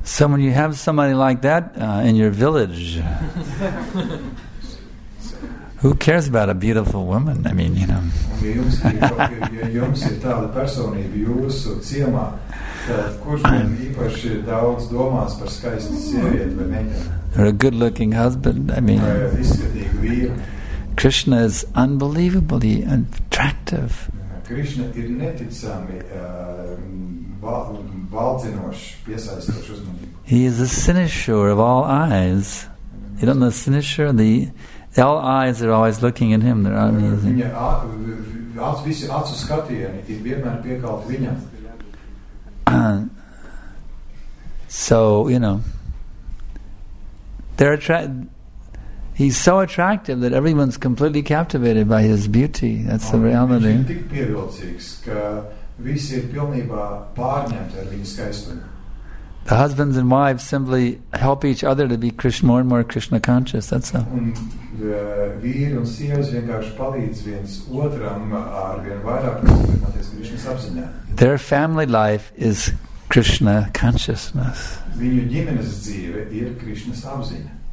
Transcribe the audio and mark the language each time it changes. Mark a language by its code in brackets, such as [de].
[en] So when you have somebody like that in your village, who cares about a beautiful woman? I mean, you know. [lv] Jums ir tāda personība jūsu ciemā, kurš gan īpaši daudz domās par skaistu sievieti vai meiteni. [en] Or a good-looking husband, I mean. [lv] Izskatīgu vīru. [en] Krishna is unbelievably attractive. [lv] Krishna ir neticami valdzinoši piesaistoši uzmanību. [en] He is the cynosure of all eyes. You don't know the cynosure? The all eyes are always looking at him. They're amazing. [lv] Visi acu skatieni ir vienmēr piekalti viņam. [en] So, you know, they're attracted. He's so attractive that everyone's completely captivated by his beauty. That's the reality. [lv] Viņš ir tik pievilcīgs, ka visi ir pilnībā pārņemti ar viņa skaistumu. [en] The husbands and wives simply help each other to be more and more Krishna conscious. That's all. [lv] Un vīri un sievas vienkārši palīdz viens otram ar vien vairāk pārņemties Krishna apziņā. [en] Their family life is Krishna consciousness. [lv] Viņu ģimenes dzīve ir Krishna apziņa.